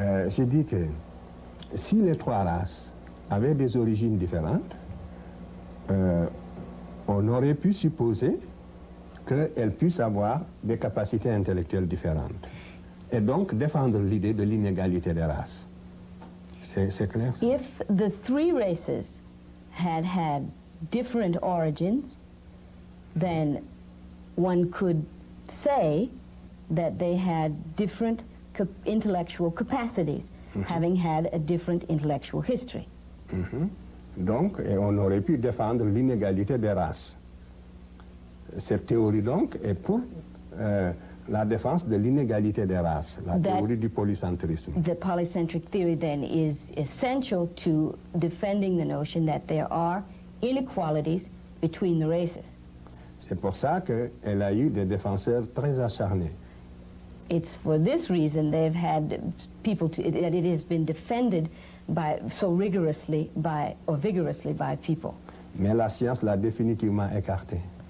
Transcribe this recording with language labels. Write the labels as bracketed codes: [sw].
[fr] J'ai dit que si les trois races avaient des origines différentes, on aurait pu supposer qu'elles puissent avoir des capacités intellectuelles différentes. Et donc défendre l'idée de l'inégalité des races. C'est clair, ça? [en] If the three races had had different origins, then one could say that they had different intellectual capacities, mm-hmm. having had a different intellectual history. Mm-hmm. [fr] Donc, et on aurait pu défendre l'inégalité des races. Cette théorie, donc, est pour la défense de l'inégalité des races, la théorie du polycentrisme. [en] The polycentric theory, then, is essential to defending the notion that there are inequalities between the races. [fr] C'est pour ça qu'elle a eu des défenseurs très acharnés. [en] It's for this reason they've had people that it has been defended by so rigorously by people. [fr] Mais la science l'a définitivement écarté.